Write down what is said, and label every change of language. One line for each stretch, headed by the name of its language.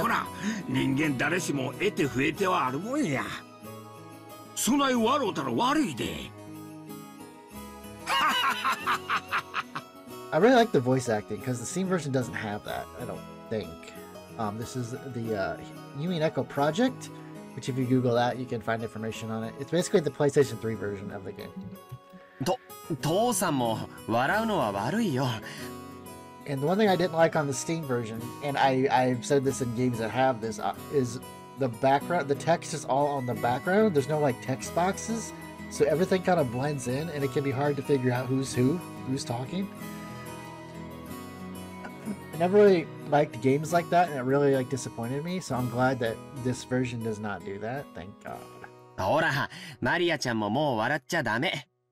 Japanese: こらこら、人間誰しも得て増えてはあるもんや。そない笑うたら悪いで。
English: I really like the voice acting because the scene version doesn't have that, I don't think. This is the Umineko project, which if you Google that, you can find information on it. It's basically the PlayStation 3 version of the game. And the one thing I didn't like on the Steam version, and I've said this in games that have this, is the background, the text is all on the background. There's no like text boxes, so everything kind of blends in, and it can be hard to figure out who's who, who's talking. I never really liked games like that, and it really like disappointed me, so I'm glad that this version does not do that. Thank God.
Japanese: ほら、マリアちゃんももう笑っちゃダメ。